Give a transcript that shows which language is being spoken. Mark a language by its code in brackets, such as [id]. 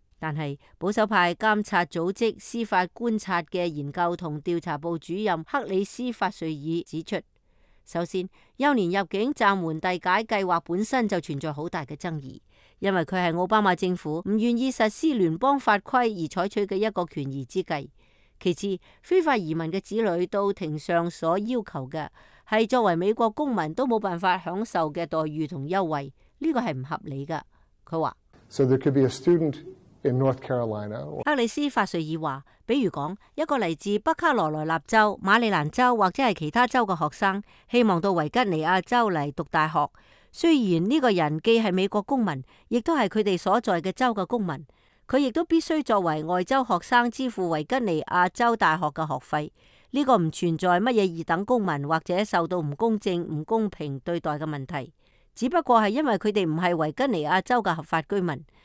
[zh] 但是保守派监察组织司法观察的研究和调查部主任克里斯法瑞尔指出，首先幼年入境暂缓递解计划本身就存在很大的争议，因为它是奥巴马政府不愿意实施联邦法规而采取的一个权宜之计。其次，非法移民的子女到庭上所要求的是作为美国公民都没有办法享受的待遇和优惠，这个是不合理的。他说， [en] So there could be a student in North Carolina. [zh] 克里斯法瑞尔说，比如说一个来自北卡罗来纳州、马里兰州或者是其他州的学生希望到维吉尼亚州来读大学，虽然这个人既是美国公民亦都是他们所在的州的公民，他亦都必须作为外州学生支付维吉尼亚州大学的学费，这个不存在什么二等公民或者受到不公正不公平对待的问题，只不过是因为他们不是维吉尼亚州的合法居民，